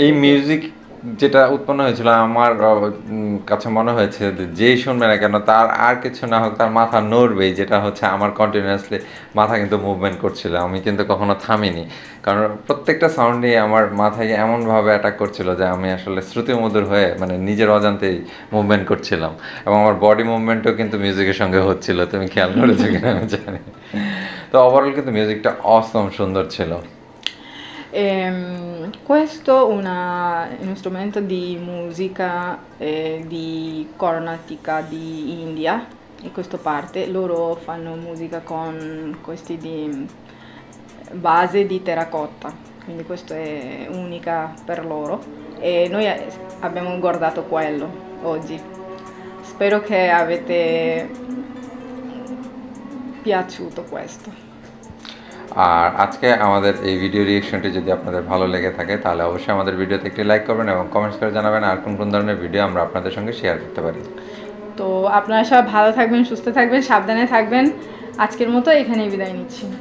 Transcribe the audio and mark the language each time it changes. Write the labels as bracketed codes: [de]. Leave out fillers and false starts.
[bn] এই মিউজিক যেটা উৎপন্ন হয়েছিল আমার কাছে মনে হয়েছে যে যেই শুনবে না কেন তার আর কিছু না হোক তার মাথা নড়বেই, যেটা হচ্ছে আমার কন্টিনিউয়াসলি মাথা কিন্তু মুভমেন্ট করছিল, আমি কিন্তু কখনো থামিনি, কারণ প্রত্যেকটা সাউন্ডই আমার মাথায় এমনভাবে অ্যাটাক করছিল যে আমি আসলে শ্রুতিমধুর হয়ে মানে নিজের অজান্তেই মুভমেন্ট করছিলাম, এবং আমার বডি মুভমেন্টও কিন্তু মিউজিকের সঙ্গে হচ্ছিলো, তুমি খেয়াল করেছো কিনা আমি জানি। তো ওভারঅল কিন্তু মিউজিকটা অসম সুন্দর ছিল। [it] Questo è uno strumento di musica di Karnataka, di India, in questa parte. Loro fanno musica con questi di base di terracotta, quindi questo è unica per loro. E noi abbiamo guardato quello oggi. Spero che avete piaciuto questo. [bn] আর আজকে আমাদের এই video রিয়েকশনটি যদি আপনাদের ভালো লেগে থাকে তাহলে অবশ্যই আমাদের ভিডিওতে একটি লাইক করবেন এবং কমেন্টস করে জানাবেন আর কোন কোন ধরনের ভিডিও আমরা আপনাদের সঙ্গে শেয়ার করতে পারি। তো আপনারা সবাই ভালো থাকবেন, সুস্থ থাকবেন, সাবধানে থাকবেন। আজকের মতো এখানেই বিদায় নিচ্ছি।